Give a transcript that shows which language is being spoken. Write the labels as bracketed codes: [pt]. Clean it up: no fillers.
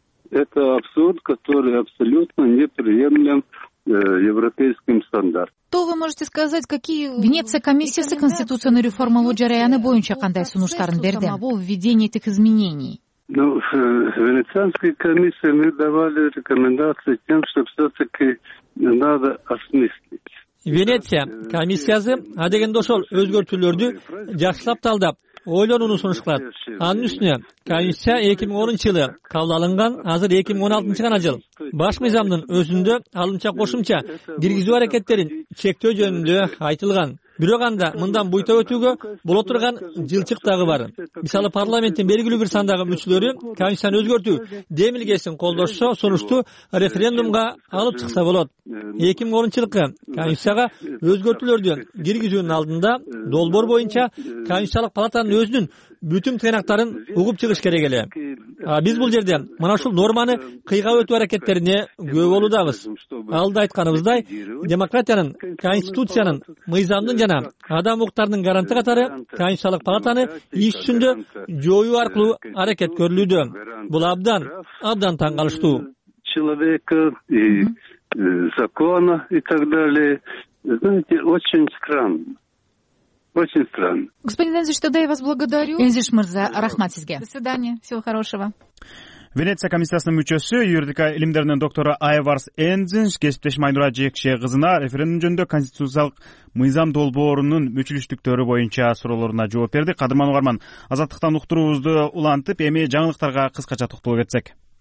[ru] Это абсурд, который абсолютно неприемлем европейским стандартам. Что вы можете сказать, какие [ky] Венеция комиссиясы [ru] конституционной реформы [ky] жараяны боюнча кандай сунуштарын берди? [ru] Само введение этих изменений. Ну, Венецианская комиссия мы давали рекомендации тем, что все-таки надо осмыслить. [ky] Венеция комиссиясы адегенде ошол өзгөртүүлөрдү жакшылап талдап, ойлонууну сунушкулат. Анын үстүнө комиссия 2010-жылы кабыл алынган, азыр 2016-жы гана жыл. Баш мыйзамдын өзүндө алынча кошумча киргизүү аракеттерин чектөө жөнүндө айтылган. Бирок анда мындан буйта өтүүгө боло турган жылчык дагы бар. Мисалы парламенттин белгилүү бир сандагы мүчөлөрү конституцияны өзгөртүү демилгесин колдошсо, сунушту референдумга алып чыкса болот. 2010-жылкы конституцияга өзгөртүүлөрдү киргизүүнүн алдында долбоор боюнча конституциялык палатанын өзүнүн бүтүм тыянактарын угуп чыгыш керек эле. А биз бул жерде мына ушул норманы кыйга өтүү аракеттерине күбө болуудабыз. Алда айтканыбыздай, демократиянын, конституциянын, мыйзамдын жана адам укуктарынын гаранты катары конституциялык палатаны иш жүзүндө жоюу аркылуу аракет көрүлүүдө. Бул абдан таң калыштуу. [ru] Человека и закона и так далее. Знаете, очень странно. Очень странно. Господин Энзиш, тогда я вас благодарю. [ky] Энзиш Мырза, рахмат сизге. [ru] До свидания, всего хорошего. [ky] Венеция комиссиясынын мүчөсү, юридика илимдеринин доктору Айварс Энзиш, кесиптешим Айнура Жээкче кызына референдум жөнүндө конституциялык мыйзам долбоорунун мүчүлүштүктөрү боюнча суроолоруна жооп берди. Кадырман угарман, азаттыктан уктуруубузду улантып, эми жаңылыктарга кыскача токтоло кетсек.